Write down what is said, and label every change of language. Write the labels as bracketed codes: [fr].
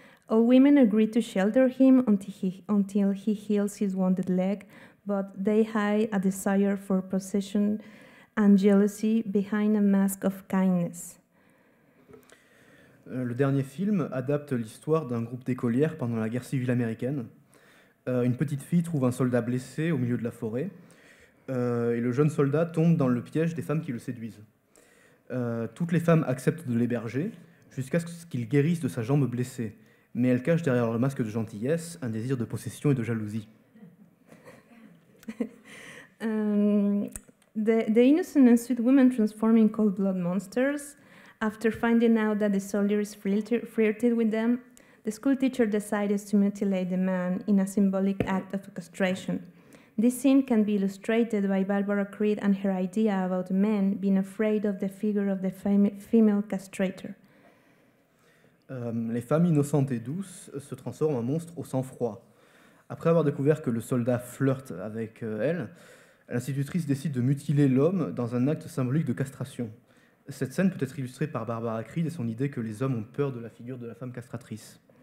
[en] All women agree to shelter him until he heals his wounded leg, but they hide a desire for possession and jealousy behind a mask of kindness. [fr] Le dernier film adapte l'histoire d'un groupe d'écolières pendant la guerre civile américaine. Une petite fille trouve un soldat blessé au milieu de la forêt. Et le jeune soldat tombe dans le piège des femmes qui le séduisent. Toutes les femmes acceptent de l'héberger jusqu'à ce qu'il guérisse de sa jambe blessée. mais elle cache derrière le masque de gentillesse un désir de possession et de jalousie. [en] The innocent and sweet women transform in cold blood monsters. After finding out that the soldiers flirted with them, the school teacher decides to mutilate the man in a symbolic act of castration. This scene can be illustrated by Barbara Creed and her idea about men being afraid of the figure of the female castrator. [fr] Les femmes innocentes et douces se transforment en monstres au sang-froid. Après avoir découvert que le soldat flirte avec elle, l'institutrice décide de mutiler l'homme dans un acte symbolique de castration. Cette scène peut être illustrée par Barbara Creed et son idée que les hommes ont peur de la figure de la femme castratrice.